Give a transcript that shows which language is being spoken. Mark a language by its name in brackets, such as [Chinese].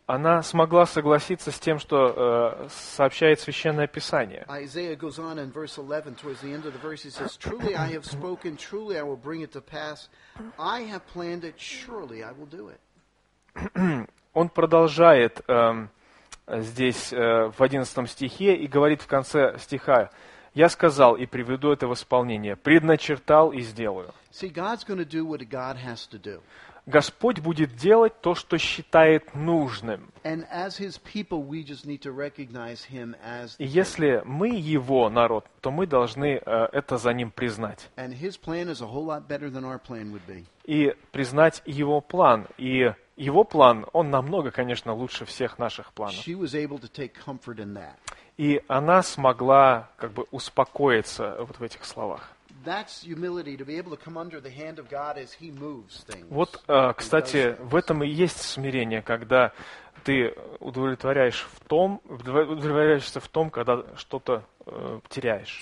[Russian] Она смогла согласиться с тем, что сообщает Священное Писание. [English] Isaiah goes on in verse 11, towards the end of the verse, he says, truly I have spoken, truly I will bring it to pass. I have planned it, surely I will do it. [Russian] Он продолжает здесь в 11 стихе и говорит в конце стиха, я сказал и приведу это в исполнение, предначертал и сделаю. [English] See, God's going to do what God has to do. [Russian] Господь будет делать то, что считает нужным. [English] People, [Russian] и если мы его народ, то мы должны это за ним признать. И признать его план. И его план, он намного, конечно, лучше всех наших планов. И она смогла как бы успокоиться вот в этих словах. [English] That's humility, to be able to come under the hand of God as he moves things. [Russian] Вот, кстати, в этом и есть смирение, когда ты удовлетворяешься в том, когда что-то теряешь.